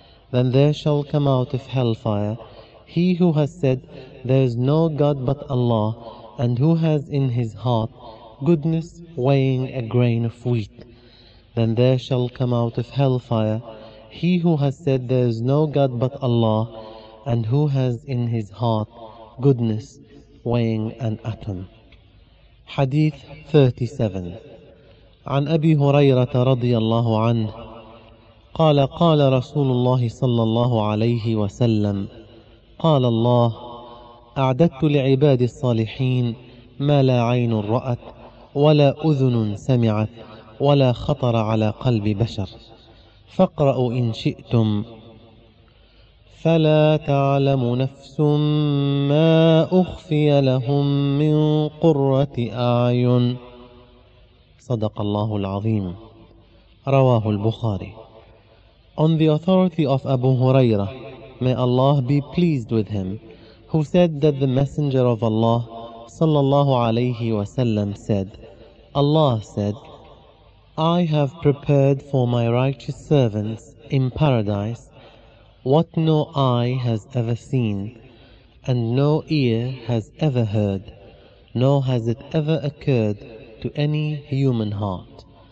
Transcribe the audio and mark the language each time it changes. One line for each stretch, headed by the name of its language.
English: Then there shall come out of hellfire he who has said, There is no God but Allah, and who has in his heart goodness weighing a grain of wheat. Then there shall come out of hellfire he who has said, There is no God but Allah, and who has in his heart goodness weighing an atom. Hadith 37.
Arabic: عن أبي هريرة رضي الله عنه قال قال رسول الله صلى الله عليه وسلم قال الله أعددت لعباد الصالحين ما لا عين رأت ولا أذن سمعت ولا خطر على قلب بشر فاقرأوا إن شئتم فلا تعلم نفس ما أخفي لهم من قرة أعين صدق الله العظيم رواه البخاري.
English: On the authority of Abu Hurairah, may Allah be pleased with him, who said that the Messenger of Allah sallallahu alayhi wa sallam said, Allah said, I have prepared for my righteous servants in paradise what no eye has ever seen, and no ear has ever heard, nor has it ever occurred to any human heart.